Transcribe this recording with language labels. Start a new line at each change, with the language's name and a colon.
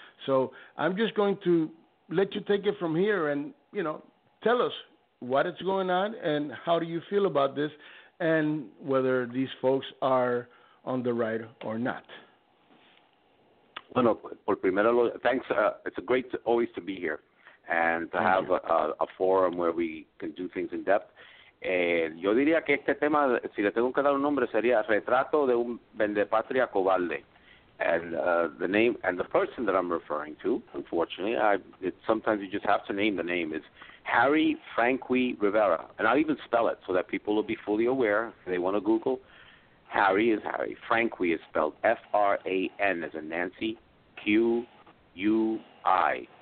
English: So I'm just going to let you take it from here and, you know, tell us what is going on and how do you feel about this and whether these folks are on the right or not.
Spanish: Bueno, por primero,
English: thanks. It's great to always to be here and to have a forum where we can do things in depth.
Spanish: Yo diría que este tema, si le tengo que dar un nombre, sería Retrato de un Vendepatria Cobalde.
English: And the name and the person that I'm referring to, unfortunately, sometimes you just have to name the name, is Harry Frankie Rivera. And I'll even spell it so that people will be fully aware if they want to Google. Harry is Harry. Frankie is spelled F-R-A-N as in Nancy, Q-U-I.